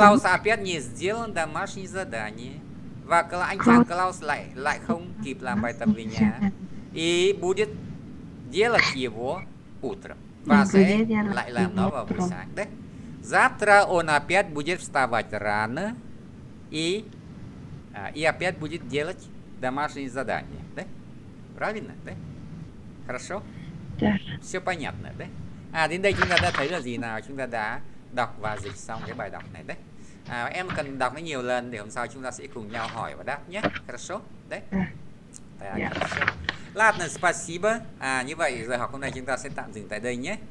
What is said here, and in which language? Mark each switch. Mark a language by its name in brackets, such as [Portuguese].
[Russian] Клаус опять не сделал домашнее задание. [Vietnamese] Và anh Cô chàng Клаус lại không kịp làm bài tập về nhà. [Russian] И будет делать его утром. [Vietnamese] Và sẽ lại làm nó vào buổi sáng đấy. [Russian] Завтра он опять будет вставать рано. И опять будет делать домашнее задание. Да? Правильно? Да? Хорошо? Все понятно, да? [Vietnamese] À, đến đây chúng ta đã thấy là gì nào? Chúng ta đã đọc và dịch xong cái bài đọc này đấy. À, em cần đọc nó nhiều lần để hôm sau chúng ta sẽ cùng nhau hỏi và đáp nhé. [Russian] Хорошо? [Vietnamese] Đấy. [Russian] Так, хорошо. Ладно, спасибо. [Vietnamese] À, như vậy giờ học hôm nay chúng ta sẽ tạm dừng tại đây nhé.